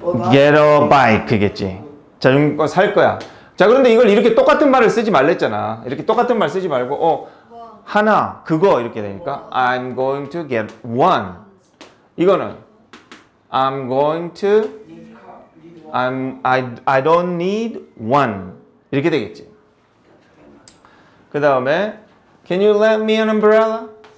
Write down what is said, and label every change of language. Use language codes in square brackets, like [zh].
[en] get a bike겠지. [ko] 자, 이거 살 거야. 자, 그런데 이걸 이렇게 똑같은 말을 쓰지 말랬잖아. 이렇게 똑같은 말 쓰지 말고, 하나, 그거 이렇게 되니까 [en] I'm going to get one. [ko] 이거는 [en] I'm going to I don't need one. [ko] 이렇게 되겠지. 그 다음에 [en] Can you lend me an umbrella?